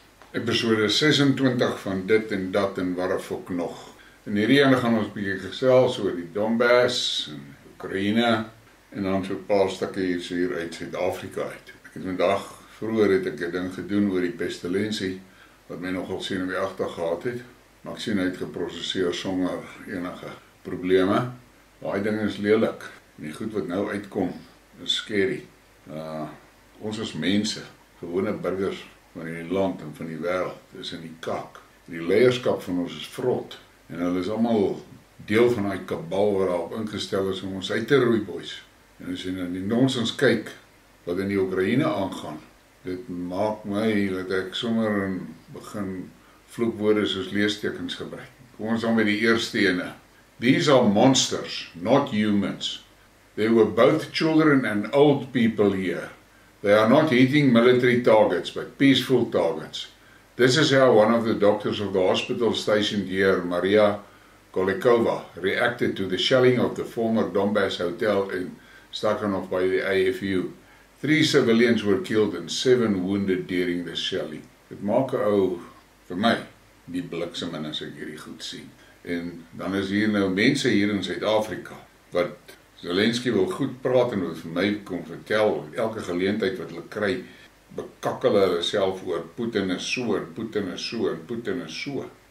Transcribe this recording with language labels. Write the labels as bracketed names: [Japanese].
[Afrikaans] Episode 26 van dit en dat en waarvoor nog. In hierdie ene gaan ons bietjie gesels oor die Donbass en Oekraïne en dan so 'n paar stukke hier uit Suid-Afrika uit. Ek het vandag, vroeger het ek 'n ding gedoen oor die pestilensie wat my nogal sien in die agter gehad het. Maar ek sien uit geprosesseer sonder enige probleme. Daai ding is lelik. Die goed wat nou uitkom is scary. Ons is mense, gewone burgers van die land en van die wêreld, is in die kak. Die leierskap van ons is vrot en hulle is allemaal deel van die kabal waar daarop ingestel is om ons uit te roei, boys. En as jy na die nonsens kyk wat in die Oekraïne aangaan, dit maak my dat ek sommer begin vloekwoorde soos leestekens gebruik. Kom ons dan met die eerste ene. [English] These are monsters, not humans. There were both children and old people here. They are not hitting military targets, but peaceful targets. This is how one of the doctors of the hospital stationed here, Maria Kolikova, reacted to the shelling of the former Donbass hotel in Stakhanov by the AFU. 3 civilians were killed and 7 wounded during the shelling. [Afrikaans] Dit maak 'n ou vir my die bliksem in as ek hierdie goed sien. En dan is hier nou mense hier in Suid-Afrika wat Zelensky wil goed praat en wat vir my kom vertel, elke geleentheid wat hulle kry, bekakkel hulle self oor, Putin is so, Putin is so, Putin is so.